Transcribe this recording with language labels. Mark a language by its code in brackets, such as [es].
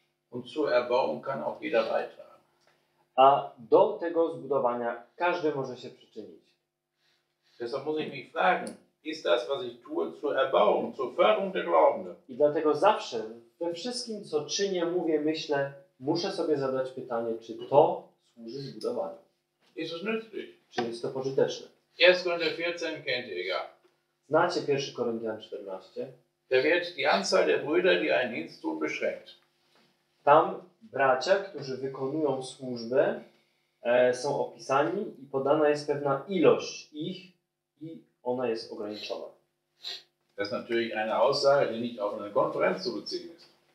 [de] Und zur Erbauung kann auch jeder beitragen. [pl] A do tego zbudowania każdy może się przyczynić. [de] Deshalb muss ich mich fragen. Ist das, was ich tue, zur Erbauung, zur Förderung der Glaubenden? [pl] I dlatego zawsze, we wszystkim, co czynię, mówię, myślę, muszę sobie zadać pytanie, czy to służy zbudowaniu. [de] Ist es nützlich? [pl] Czy jest to pożyteczne? [de] 1 Korinther 14 kennt ihr ja. [pl] Znacie 1 Koryntian 14? [de] Da wird die Anzahl der Brüder, die einen Dienst tun, beschränkt. [pl] Tam bracia, którzy wykonują służbę, są opisani i podana jest pewna ilość ich i ona jest ograniczona. [de] Das ist natürlich eine Aussage, die nicht auf eine Konferenz zu beziehen ist.